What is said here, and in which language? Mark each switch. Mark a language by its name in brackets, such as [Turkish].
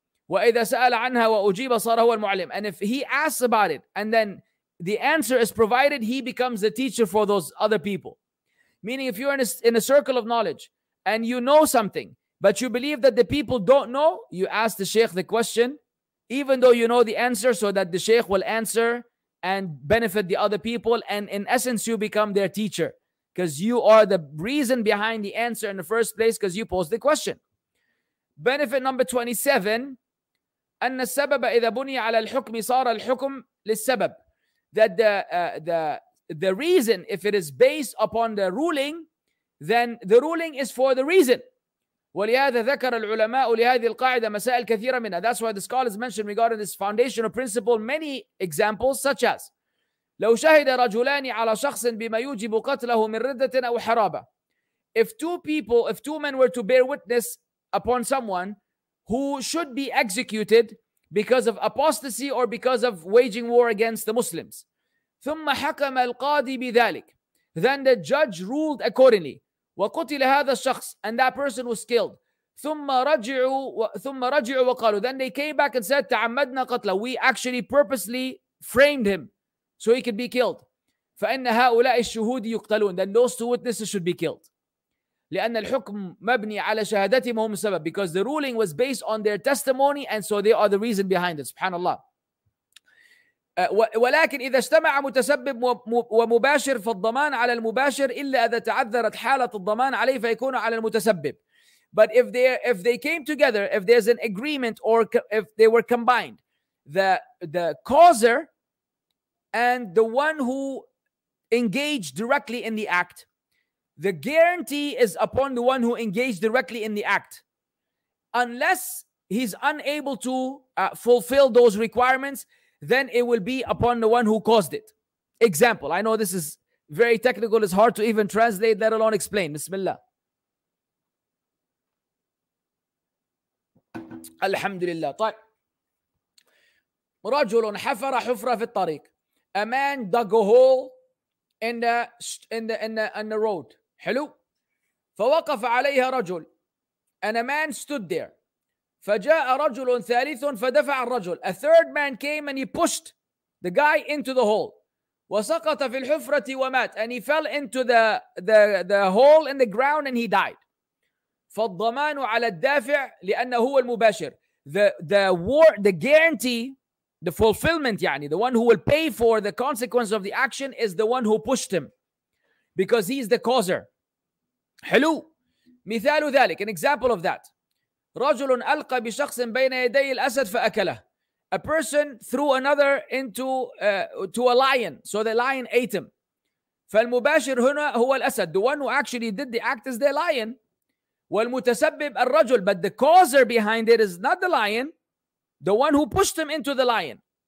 [Arabic] وإذا سأل عنها وأجيب صار هو المعلم [English] and if he asks about it and then the answer is provided he becomes the teacher for those other people meaning if you're in a circle of knowledge and you know something, but you believe that the people don't know, you ask the sheikh the question, even though you know the answer, so that the sheikh will answer and benefit the other people, and in essence, you become their teacher, because you are the reason behind the answer in the first place, because you posed the question. Benefit number 27, [Arabic] أن السبب إذا بني على الحكم صار الحكم للسبب, [English] that the reason, if it is based upon the ruling, then the ruling is for the reason. [Arabic] ولهذا ذكر العلماء لهذه القاعدة مسائل كثيرة منها. [English] That's why the scholars mentioned regarding this foundational principle many examples such as [Arabic] لو شهد رجلان على شخص بما يوجب قتله من ردة أو حرابة [English] if two men were to bear witness upon someone who should be executed because of apostasy or because of waging war against the Muslims. [Arabic] ثُمَّ حَكَمَ الْقَاضِي بِذَلِكَ [English] Then the judge ruled accordingly. [Arabic] وَقُتِلَ هَذَا الشَّخْصِ [English] And that person was killed. [Arabic] ثُمَّ رَجِعُوا وَقَالُوا [English] Then they came back and said, [Arabic] تَعَمَّدْنَا قَتْلَهُ [English] We actually purposely framed him so he could be killed. [Arabic] فَإِنَّ هَؤُلَاءِ الشُّهُودِ يُقْتَلُونَ [English] Then those two witnesses should be killed. [Arabic] لِأَنَّ الْحُكْمُ مَبْنِي عَلَى شَهَدَتِهِمْ هُمْ السَّبَبِ [English] Because the ruling was based on their testimony and so they are the reason behind it. [Arabic] Subhanallah. ولكن إذا اجتمع متسبب ومباشر فالضمان على المباشر إلا إذا تعذرت حالة الضمان عليه فيكون على المتسبب. [English] But if they came together, if there's an agreement or if they were combined, the causer and the one who engaged directly in the act, the guarantee is upon the one who engaged directly in the act, unless he's unable to fulfill those requirements. Then it will be upon the one who caused it. Example, I know this is very technical. It's hard to even translate, let alone explain. [Arabic] Bismillah. Alhamdulillah. طيب. رجل حفر حفرة في الطريق. [English] A man dug a hole in the road. [Arabic] حلو. فوقف عليها رجل. [English] And a man stood there. [Arabic] فجاء رجل ثالث فدفع الرجل. [English] A third man came and he pushed the guy into the hole. [Arabic] وسقط في الحفرة ومات. [English] And he fell into the hole in the ground and he died. [Arabic] فالضمان على الدافع لأنه هو المباشر. [English] The guarantee, the fulfillment يعني, the one who will pay for the consequence of the action is the one who pushed him. Because he is the causer. [Arabic] حلو. مثال ذلك, [English] an example of that. [Arabic] رجل ألقى بشخص بين يدي الأسد فأكله. [English] A person threw another into a lion, so the lion ate him. [Arabic] فالمباشر هنا هو الأسد. [English] The one who actually did the act is the lion. [Arabic] والمتسبب الرجل, [English] but the causer behind it is not the lion, the one who pushed him into the lion.